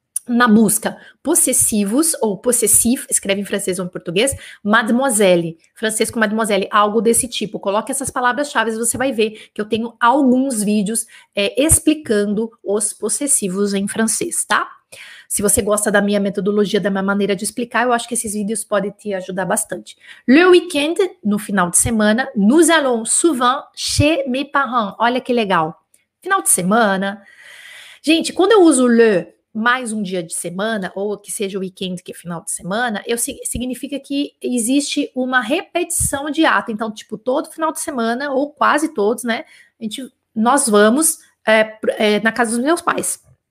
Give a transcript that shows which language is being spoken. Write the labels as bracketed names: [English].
[Portuguese] Na busca, possessivos ou possessif, escreve em francês ou em português, mademoiselle, francês com mademoiselle, algo desse tipo. Coloque essas palavras-chave, você vai ver que eu tenho alguns vídeos explicando os possessivos em francês, tá? Se você gosta da minha metodologia, da minha maneira de explicar, eu acho que esses vídeos podem te ajudar bastante. [French] Le week-end, [Portuguese] no final de semana, [French] nous allons souvent chez mes parents. [Portuguese] Olha que legal. Final de semana. Gente, quando eu uso le... mais um dia de semana, ou que seja o weekend, que é final de semana, significa que existe uma repetição de ato. Então, tipo, todo final de semana, ou quase todos, né, nós vamos na casa dos meus pais.